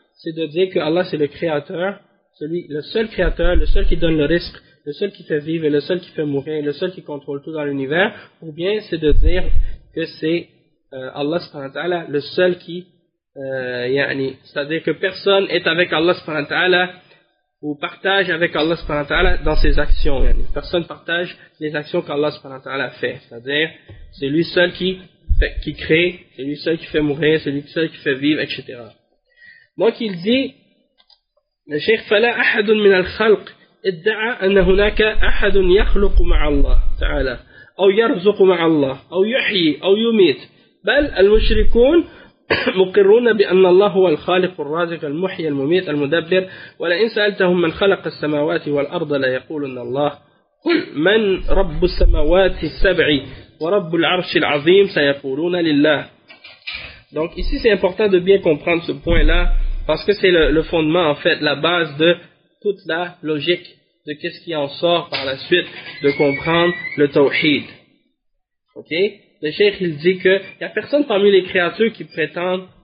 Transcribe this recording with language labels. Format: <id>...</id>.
<fr>C'est de dire que Allah c'est le créateur, le seul créateur, le seul qui donne le risque, le seul qui fait vivre, le seul qui fait mourir, le seul qui contrôle tout dans l'univers, ou bien c'est de dire que c'est Allah subhanahu wa ta'ala le seul qui, c'est-à-dire que personne est avec Allah subhanahu wa ta'ala ou partage avec Allah subhanahu wa ta'ala dans ses actions, yani. Personne partage les actions qu'Allah subhanahu wa ta'ala fait, c'est-à-dire c'est lui seul qui crée, c'est lui seul qui fait mourir, c'est lui seul qui fait vivre, etc. Donc il dit, le cheikh,</fr> <ar>فلا أحد من الخلق ادعى أن هناك أحد يخلق مع الله تعالى أو يرزق مع الله أو يحيي أو يميت بل المشركون مقرون بأن الله هو الخالق الرازق المحيي المميت المدبر ولئن سألتهم من خلق السماوات والأرض لا يقولن الله قل من رب السماوات السبع ورب العرش العظيم سيقولون لله.</ar> <fr>Donc ici c'est important de bien comprendre ce point-là parce que c'est le fondement en fait, la base de toute la logique de qu'est-ce qui en sort par la suite de comprendre le tawhid. Ok? Le cheikh il dit que il y a personne parmi les créatures qui prétendent</fr>